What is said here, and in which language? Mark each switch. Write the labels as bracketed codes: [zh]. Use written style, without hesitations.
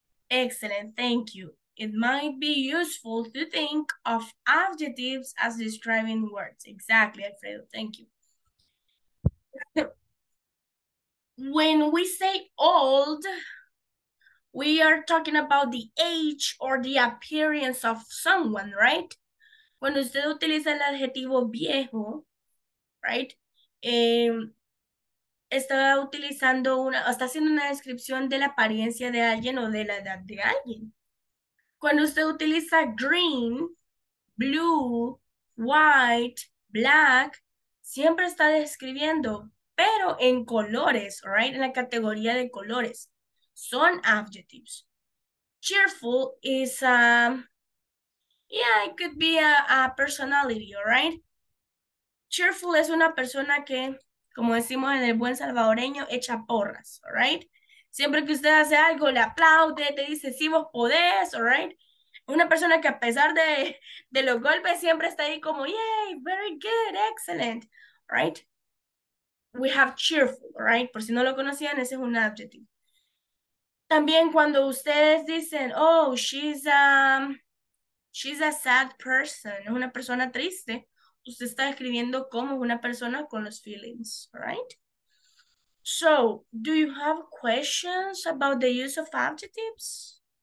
[en] Excellent, thank you. It might be useful to think of adjectives as describing words. Exactly, Alfredo, thank you. When we say old, we are talking about the age or the appearance of someone, right? [es] Cuando usted utiliza el adjetivo viejo, right? Está utilizando una, está haciendo una descripción de la apariencia de alguien o de la edad de alguien. Cuando usted utiliza green, [en] blue, white, black, [es] siempre está describiendo, pero en colores, right? En la categoría de colores. Son adjectives. [en] Cheerful is, yeah, it could be a personality, all right? [es] Cheerful es una persona que, como decimos en el buen salvadoreño, echa porras, [en] all right? [es] Siempre que usted hace algo, le aplaude, te dice, sí, vos podés, [en] all right? [es] Una persona que a pesar de los golpes, siempre está ahí como, [en] yay, very good, excellent, all right? We have cheerful, all right? [es] Por si no lo conocían, ese es un adjective. También cuando ustedes dicen, [en] oh, she's a sad person, [es] es una persona triste, usted está escribiendo como una persona con los feelings, right? [en] So, do you have questions about the use of adjectives?